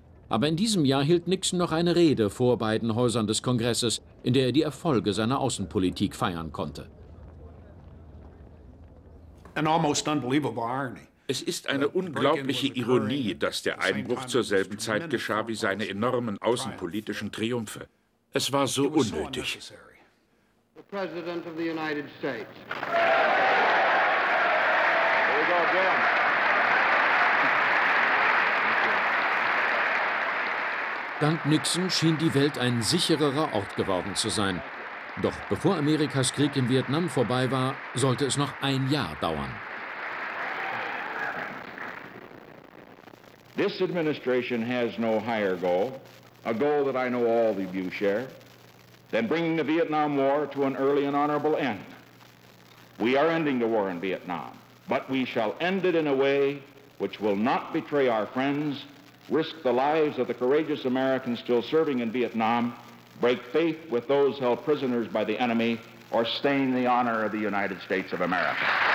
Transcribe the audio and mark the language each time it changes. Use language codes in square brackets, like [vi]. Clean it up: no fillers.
[de] Aber in diesem Jahr hielt Nixon noch eine Rede vor beiden Häusern des Kongresses, in der er die Erfolge seiner Außenpolitik feiern konnte. [en] An almost unbelievable irony. [de] Es ist eine unglaubliche Ironie, dass der Einbruch zur selben Zeit geschah wie seine enormen außenpolitischen Triumphe. Es war so unnötig. [en] The President of the United States. There we go again. [de] Dank Nixon schien die Welt ein sichererer Ort geworden zu sein. Doch bevor Amerikas Krieg in Vietnam vorbei war, sollte es noch ein Jahr dauern. [en] This administration has no higher goal, a goal that I know all of you share. Then bringing the Vietnam War to an early and honorable end. We are ending the war in Vietnam, but we shall end it in a way which will not betray our friends, risk the lives of the courageous Americans still serving in Vietnam, break faith with those held prisoners by the enemy, or stain the honor of the United States of America.